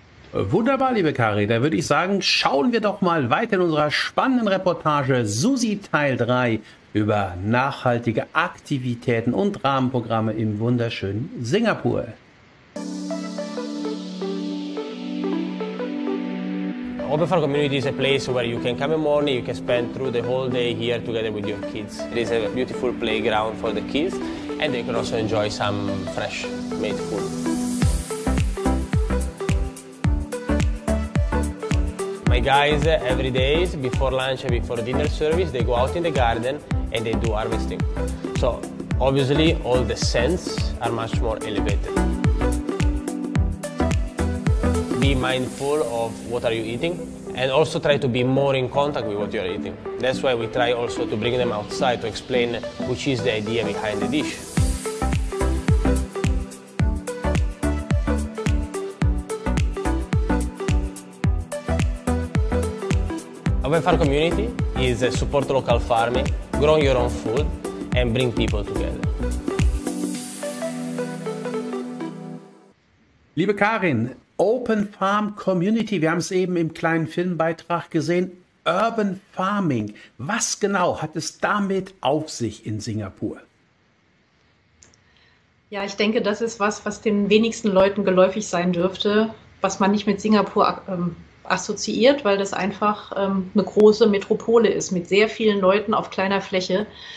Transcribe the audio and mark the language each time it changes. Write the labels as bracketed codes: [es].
[de] Wunderbar, liebe Kari. Da würde ich sagen, schauen wir doch mal weiter in unserer spannenden Reportage SuSi Teil 3 über nachhaltige Aktivitäten und Rahmenprogramme im wunderschönen Singapur. [en] Open Farm Community is a place where you can come in the morning, you can spend through the whole day here together with your kids. It is a beautiful playground for the kids and they can also enjoy some fresh made food. My guys, every day, before lunch and before dinner service, they go out in the garden and they do harvesting. So obviously all the scents are much more elevated. Be mindful of what are you eating and also try to be more in contact with what you're eating. That's why we try also to bring them outside to explain which is the idea behind the dish. Open Farm Community is a support local farming, grow your own food and bring people together. [de] Liebe Karin, Open Farm Community, wir haben es eben im kleinen Filmbeitrag gesehen, Urban Farming. Was genau hat es damit auf sich in Singapur? Ja, ich denke, das ist was, was den wenigsten Leuten geläufig sein dürfte, was man nicht mit Singapur assoziiert, weil das einfach eine große Metropole ist mit sehr vielen Leuten auf kleiner Fläche.